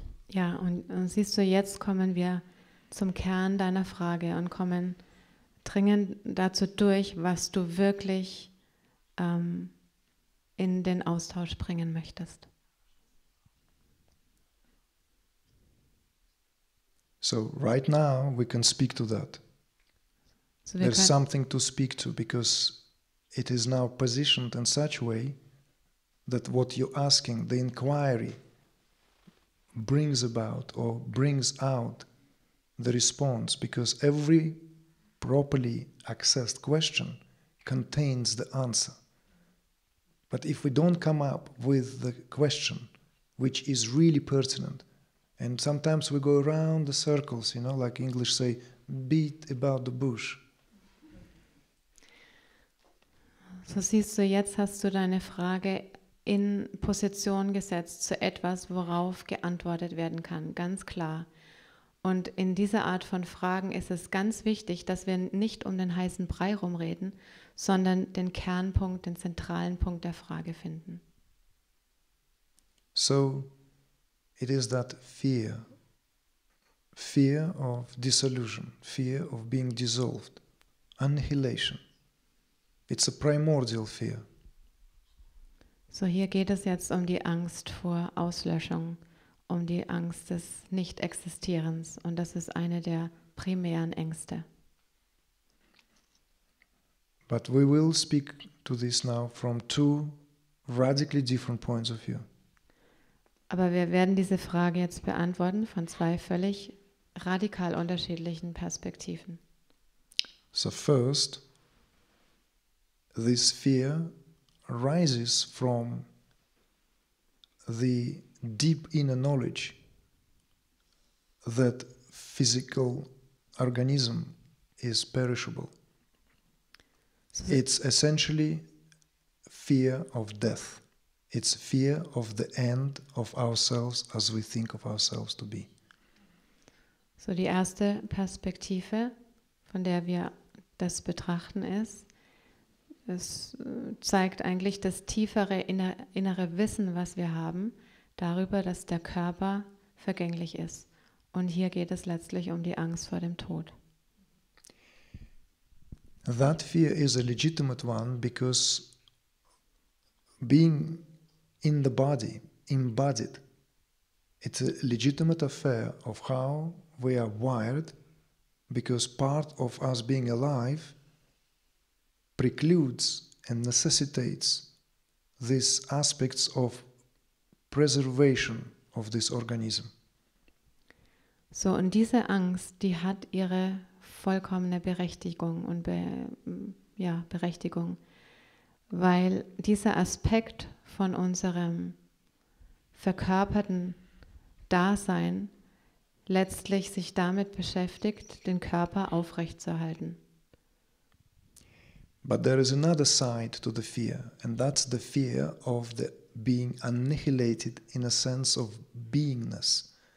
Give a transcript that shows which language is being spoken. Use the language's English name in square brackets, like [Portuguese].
[German] Ja, und siehst du, jetzt kommen wir zum Kern deiner Frage und kommen dringend dazu durch, was du wirklich in den Austausch bringen möchtest. [English] So right now we can speak to that. So there's something to speak to because it is now positioned in such a way that what you're asking, the inquiry, brings about or brings out the response, because every properly accessed question contains the answer. But if we don't come up with the question, which is really pertinent, and sometimes we go around the circles, you know, like English say, beat about the bush. [German] So siehst du, jetzt hast du deine Frage in Position gesetzt zu etwas, worauf geantwortet werden kann, ganz klar. Und in dieser Art von Fragen ist es ganz wichtig, dass wir nicht um den heißen Brei rumreden, sondern den Kernpunkt, den zentralen Punkt der Frage finden. [English] So, it is that fear. Fear of dissolution, fear of being dissolved, annihilation. It's a primordial fear. [German] So, hier geht es jetzt um die Angst vor Auslöschung, um die Angst des Nicht-Existierens. Und das ist eine der primären Ängste. [English] But we will speak to this now from two radically different points of view. [German] Aber wir werden diese Frage jetzt beantworten von zwei völlig radikal unterschiedlichen Perspektiven. [English] So first, this fear arises from the deep inner knowledge that physical organism is perishable. It's essentially fear of death. It's fear of the end of ourselves as we think of ourselves to be. [German] So die erste Perspektive, von der wir das betrachten, ist, es zeigt eigentlich das tiefere innere Wissen, was wir haben, darüber, dass der Körper vergänglich ist. Und hier geht es letztlich um die Angst vor dem Tod. [English] That fear is a legitimate one because being in the body, embodied, it's a legitimate affair of how we are wired, because part of us being alive precludes and necessitates these aspects of preservation of this organism. [German] So, und diese Angst, die hat ihre vollkommene Berechtigung und Berechtigung, weil dieser Aspekt von unserem verkörperten Dasein letztlich sich damit beschäftigt, den Körper aufrechtzuerhalten. [English] But there is another side to the fear, and that's the fear of the being annihilated in a sense of beingness.